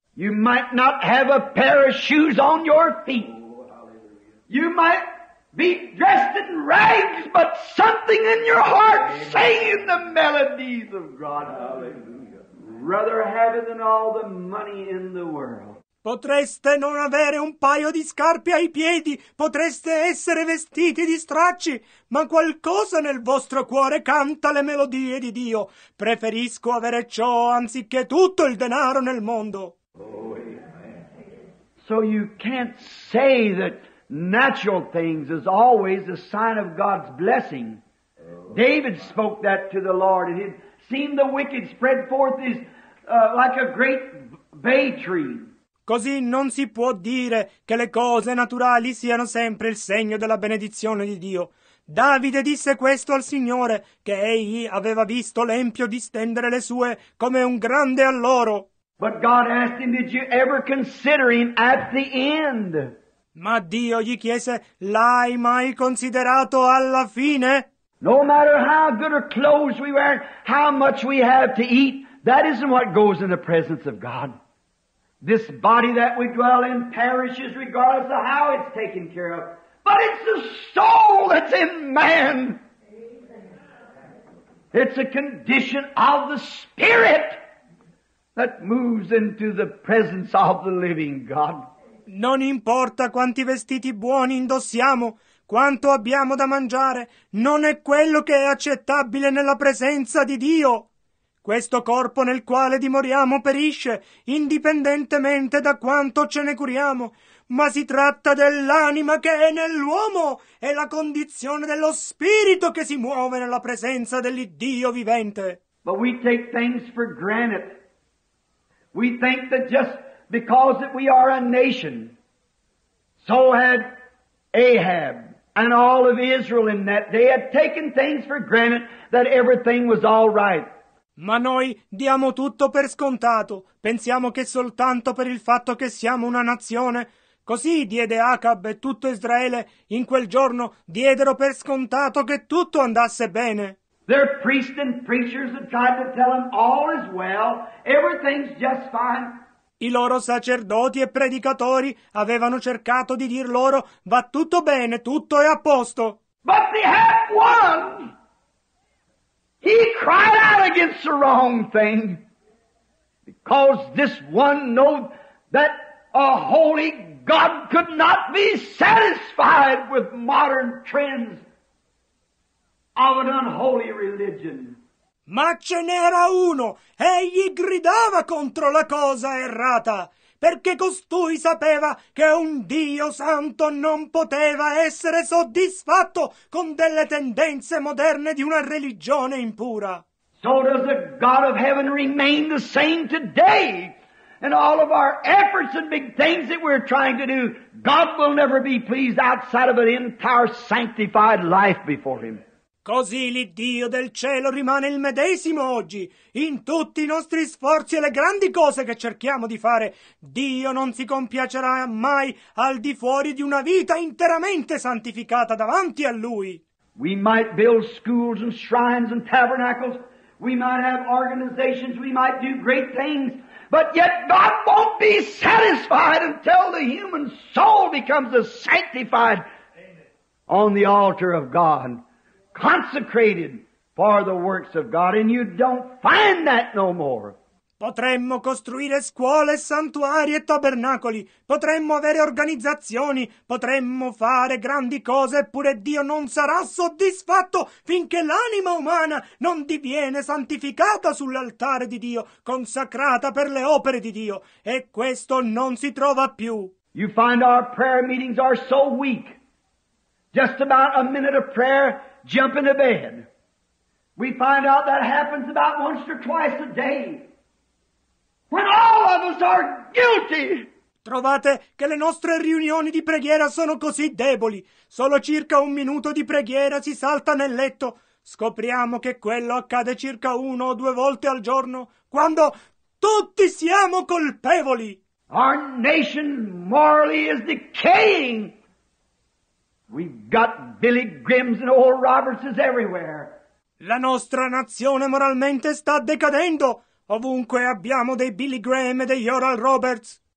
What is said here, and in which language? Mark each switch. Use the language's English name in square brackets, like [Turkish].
[English] You might not have a pair of shoes on your feet. You might be dressed in rags, but something in your heart singing the melodies of God. Hallelujah. Rather have it than all the money in the world. [Italian] Potreste non avere un paio di scarpe ai piedi, potreste essere vestiti di stracci, ma qualcosa nel vostro cuore canta le melodie di Dio. Preferisco avere ciò anziché tutto il denaro nel mondo. Oh, amen. [English] So you can't say that natural things is always a sign of God's blessing. David spoke that to the Lord, and he'd seen the wicked spread forth his like a great bay tree. [Italian] Così non si può dire che le cose naturali siano sempre il segno della benedizione di Dio. Davide disse questo al Signore, che egli aveva visto l'empio distendere le sue come un grande alloro. [English] But God asked him, did you ever consider him at the end? [Italian] Ma Dio gli chiese, l'hai mai considerato alla fine? [English] No matter how good our clothes we wear, how much we have to eat, that isn't what goes in the presence of God. This body that we dwell in perishes regardless of how it's taken care of. But it's the soul that's in man. It's a condition of the spirit that moves into the presence of the living God. [Italian] Non importa quanti vestiti buoni indossiamo, quanto abbiamo da mangiare, non è quello che è accettabile nella presenza di Dio. Questo corpo nel quale dimoriamo perisce, indipendentemente da quanto ce ne curiamo, ma si tratta dell'anima che è nell'uomo, è la condizione dello spirito che si muove nella presenza dell'Iddio vivente. [English] But we take things for granted. We think that just because that we are a nation, so had Ahab and all of Israel in that day had taken things for granted that everything was all right. [Italian] Ma noi diamo tutto per scontato. Pensiamo che soltanto per il fatto che siamo una nazione, così diede Acab e tutto Israele in quel giorno diedero per scontato che tutto andasse bene. [English] Their priests and preachers had tried to tell them all is well, everything's just fine. [Italian] I loro sacerdoti e predicatori avevano cercato di dir loro va tutto bene, tutto è a posto. [English] But they had one. He cried out against the wrong thing, because this one knew that a holy God could not be satisfied with modern trends of an unholy religion. [Italian] Ma ce n'era uno, egli gridava contro la cosa errata, perché costui sapeva che un Dio santo non poteva essere soddisfatto con delle tendenze moderne di una religione impura. [English] So does the God of heaven remain the same today? And all of our efforts and big things that we're trying to do, God will never be pleased outside of an entire sanctified life before Him. [Italian] Così l'Iddio del cielo rimane il medesimo oggi. In tutti i nostri sforzi e le grandi cose che cerchiamo di fare, Dio non si compiacerà mai al di fuori di una vita interamente santificata davanti a Lui. [English] We might build schools and shrines and tabernacles. We might have organizations. We might do great things. But yet God won't be satisfied until the human soul becomes a sanctified on the altar of God, consecrated for the works of God, and you don't find that no more. [Italian] Potremmo costruire scuole, santuari e tabernacoli, potremmo avere organizzazioni, potremmo fare grandi cose, eppure Dio non sarà soddisfatto finché l'anima umana non diviene santificata sull'altare di Dio, consacrata per le opere di Dio, e questo non si trova più. [English] You find our prayer meetings are so weak, just about a minute of prayer, jump into bed. We find out that happens about once or twice a day. When all of us are guilty. [Italian] Trovate che le nostre riunioni di preghiera sono così deboli. Solo circa un minuto di preghiera si salta nel letto. Scopriamo che quello accade circa uno o due volte al giorno, quando tutti siamo colpevoli. [English] Our nation morally is decaying. We've got Billy Grimm's and Oral Roberts's everywhere. [Italian] La nostra nazione moralmente sta decadendo. Ovunque abbiamo dei Billy Graham e degli Oral Roberts.